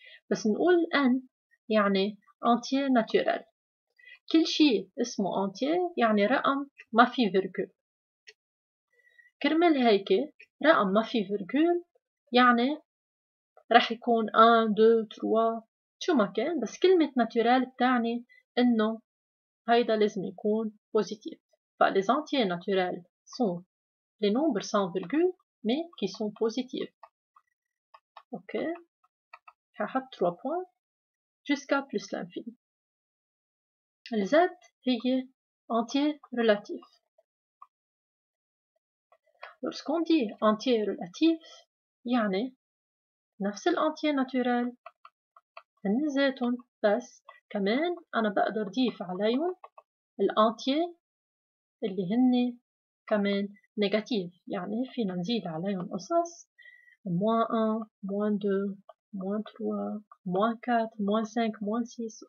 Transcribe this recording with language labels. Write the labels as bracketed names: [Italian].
[Arabic] بس نقول الأن يعني entier naturel، كل شيء اسمه entier يعني رقم ما في فيركول. كرمال هيك رقم ما في فيركول يعني رح يكون 1 2 3 شو ما كان، بس كلمة naturel بتعني انه هيدا لازم يكون positif. فالـ [French] entier naturel sont les nombres sans virgule mais qui sont positifs. ok، [Arabic] هحط [French] 3 points jusqu'à plus l'infini. [Arabic] الZ هي entier relatif. [French] lorsqu'on dit entier relatif [Arabic] يعني نفس الentier naturel هنزيتهم، بس كمان أنا بقدر ضيف عليهم الentier اللي هن كمان نيجاتيف، يعني فينا نزيد عليهم قصص موان 1 موان 2 موان 3 موان 4 موان 5 موان 6.